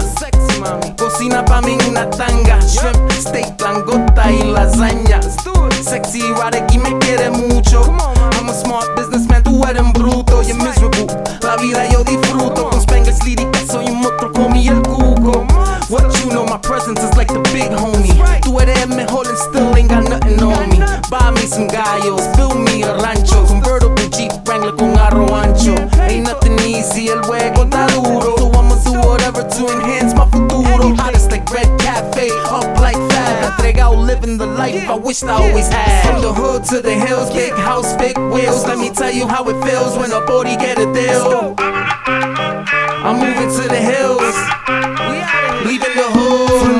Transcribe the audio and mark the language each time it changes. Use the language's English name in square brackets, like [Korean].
[Spanish] Sexy, mami. Cocina pa' mí en una tanga. Shrimp, steak, langosta y lasaña. Sexy, erotic, y me quiere mucho. [English] I'm a smart businessman, [Spanish] tú eres un bruto. [English] You're miserable, [Spanish] la vida yo disfruto. Con Spangles, lírica, soy un monstruo, comí el cuco. [English] What you know, my presence is like the big homie. [Spanish] Tú eres el mejor [English] and still ain't got nothing on me. Buy me some gallos, build me a rancho. [Spanish] Convertible Jeep Wrangler con aro ancho. [English] Ain't nothing easy, [Spanish] el juego está duro. [English] So I'ma do whatever to enhance my futuro. Hottest like Red Cafe, up like fat. Entregado living the life I wished I always had. From the hood to the hills, big house, big wheels. Let me tell you how it feels when a body get a deal. I'm moving to the hills. Leaving the hood.